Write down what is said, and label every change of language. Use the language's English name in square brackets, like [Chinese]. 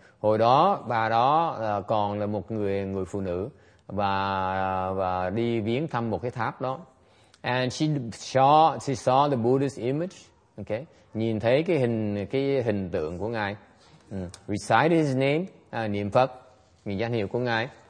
[Vietnamese] Hồi đó bà đó còn là một người phụ nữ và đi viếng thăm một cái tháp đó. [English] And she saw the Buddha's image, okay? [Vietnamese] Nhìn thấy cái hình tượng của ngài. [English] Recited his name, [Vietnamese] niệm Phật, niệm danh hiệu của ngài.